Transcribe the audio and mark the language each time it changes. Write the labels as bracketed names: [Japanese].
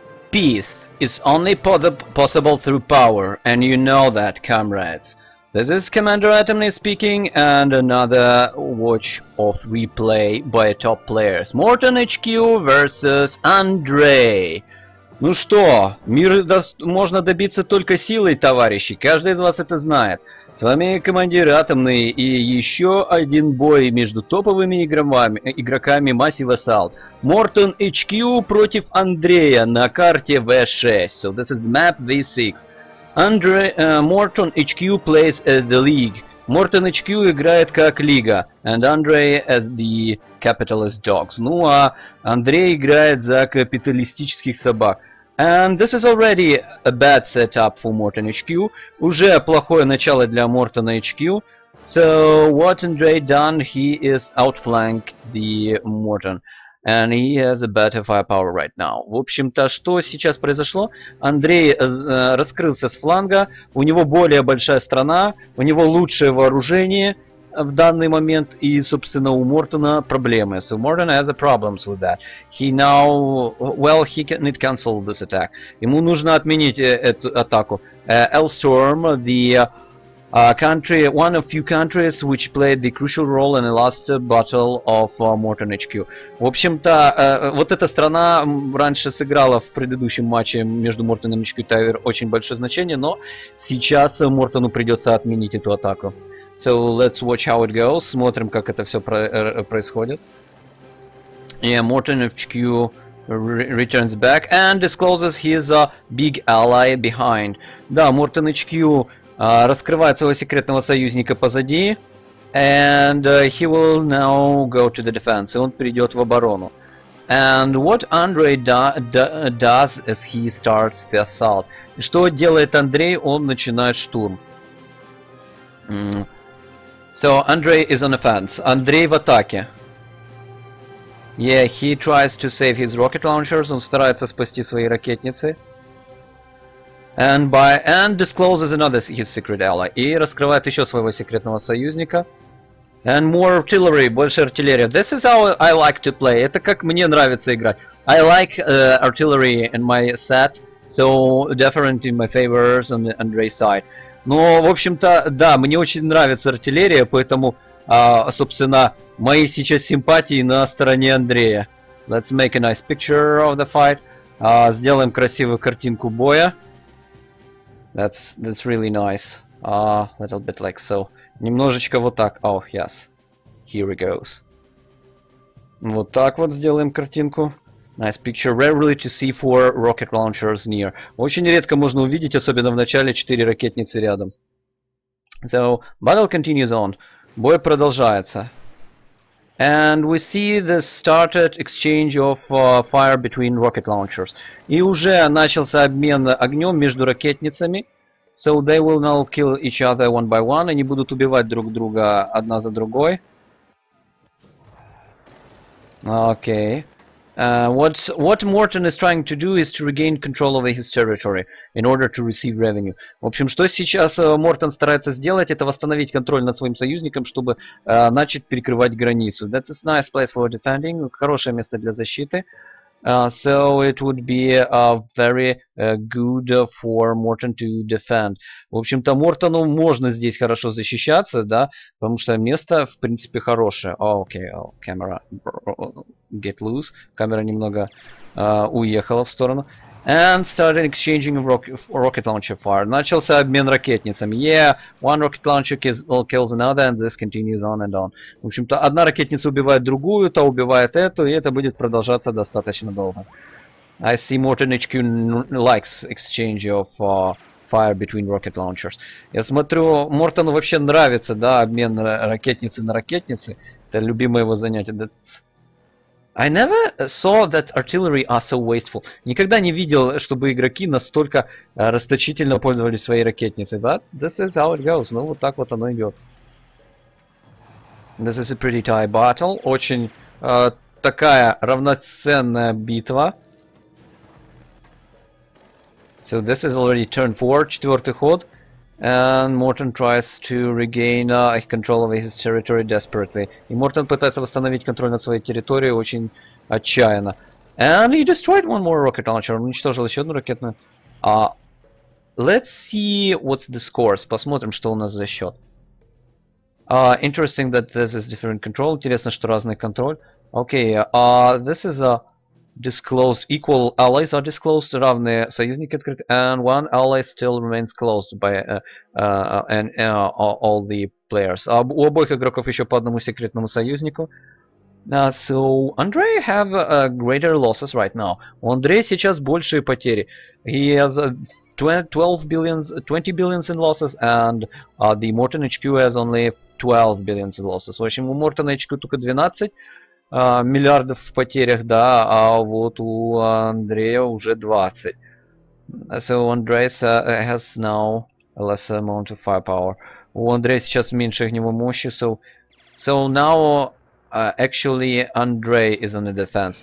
[English] peace is only possible through power, and you know that, comrades. This is Commander Atomly speaking, and another watch of replay by top players. MortonHQ versus Andrei. [Russian] Ну что, мир можно добиться только силой, товарищи. Каждый из вас это знает. С вами командир Атомный и еще один бой между топовыми игроками Massive Assault. MortonHQ против Андрея на карте V6. [English] So this is the map V6. MortonHQ plays as the league. [Russian] MortonHQ играет как лига. [English] And Andrei as the capitalist dogs. [Russian] Ну а Андрей играет за капиталистических собак. [English] And this is already a bad setup for MortonHQ. [Russian] Уже плохое начало для MortonHQ. [English] So what Andrei done? He is outflanked the Morton, and he has a better firepower right now. [Russian] В общем-то, что сейчас произошло? Андрей раскрылся с фланга. У него более большая страна. У него лучшее вооружение в данный момент. И, собственно, у Мортона проблемы. [English] So Morton has a problems with that. He now... Well, he can, need cancel this attack. [Russian] Ему нужно отменить эту атаку. [English] Elstorm, the country... One of few countries which played the crucial role in the last battle of MortonHQ. [Russian] В общем-то, вот эта страна раньше сыграла в предыдущем матче между Мортоном и HQ Tower очень большое значение, но сейчас Мортону придется отменить эту атаку. [English] So let's watch how it goes. [Russian] Смотрим, как это все происходит. [English] Yeah, MortonHQ returns back and discloses his big ally behind. [Russian] Да, MortonHQ раскрывает своего секретного союзника позади. [English] And he will now go to the defense. [Russian] И он перейдет в оборону. [English] And what Andrei does as he starts the assault. [Russian] Что делает Андрей? Он начинает штурм. [English] So Andrei is on offense. [Russian] Андрей в атаке. [English] Yeah, he tries to save his rocket launchers. [Russian] Он старается спасти свои ракетницы. [English] And by and discloses another his secret ally. [Russian] И раскрывает еще своего секретного союзника. [English] And more artillery, [Russian] больше артиллерии. [English] This is how I like to play. [Russian] Это как мне нравится играть. [English] I like artillery in my set. So definitely in my favors on Andrei's side. [Russian] Но, в общем-то, да, мне очень нравится артиллерия, поэтому, собственно, мои сейчас симпатии на стороне Андрея. [English] Let's make a nice picture of the fight. [Russian] Сделаем красивую картинку боя. [English] That's really nice. Little bit like so. [Russian] Немножечко вот так. [English] Oh, yes. Here it goes. [Russian] Вот так вот сделаем картинку. [English] Nice picture. Rarely to see four rocket launchers near. [Russian] Очень редко можно увидеть, особенно в начале, четыре ракетницы рядом. [English] So, battle continues on. [Russian] Бой продолжается. [English] And we see the started exchange of fire between rocket launchers. [Russian] И уже начался обмен огнем между ракетницами. [English] So they will now kill each other one by one. [Russian] Они будут убивать друг друга одна за другой. [English] Okay. What Morton is trying to do is to regain control over his territory in order to receive revenue. [Russian] В общем, что сейчас Мортон старается сделать, это восстановить контроль над своим союзником, чтобы начать перекрывать границу. [English] That's a nice place for defending. [Russian] Хорошее место для защиты. [English] So it would be very good for Morton to defend. [Russian] В общем-то, Мортону можно здесь хорошо защищаться, да, потому что место, в принципе, хорошее. [English] Okay, camera get loose. [Russian] Камера немного уехала в сторону. [English] And started exchanging rocket launcher fire. [Russian] Начался обмен ракетницами. [English] Yeah, one rocket launcher kills another, and this continues on and on. [Russian] В общем-то, одна ракетница убивает другую, та убивает эту, и это будет продолжаться достаточно долго. [English] I see MortonHQ likes exchange of fire between rocket launchers. [Russian] Я смотрю, Мортону вообще нравится, да, обмен ракетницы на ракетницы. Это любимое его занятие. [English] I never saw that artillery are so wasteful. [Russian] Никогда не видел, чтобы игроки настолько расточительно пользовались своей ракетницей. [English] But this is how it goes. [Russian] Ну, вот так вот оно идет. [English] This is a pretty tight battle. [Russian] Очень такая равноценная битва. [English] So this is already turn 4, [Russian] четвертый ход. [English] And Morton tries to regain control of his territory desperately. [Russian] И Мортон пытается восстановить контроль над своей территорией очень отчаянно. [English] And he destroyed one more rocket launcher. [Russian] Он уничтожил еще одну ракетную. [English] Let's see what's the scores. [Russian] Посмотрим, что у нас за счет. [English] Interesting that this is different control. [Russian] Интересно, что разный контроль. [English] Okay, this is a disclosed. Equal allies are disclosed. [Russian] Равные союзники открыты. [English] And one ally still remains closed by all the players. [Russian] У обоих игроков еще по одному секретному союзнику. [English] So Andrei have greater losses right now. [Russian] У Андрея сейчас большие потери. [English] He has 20 billions in losses, [Russian] and the MortonHQ has only 12 billions in losses. В общем, у MortonHQ только 12 миллиардов в потерях, да, а вот у Андрея уже 20. [English] So Andrei's has now a lesser amount of firepower. [Russian] У Андрея сейчас меньше огневой мощи. [English] So now actually Andrei is on the defense.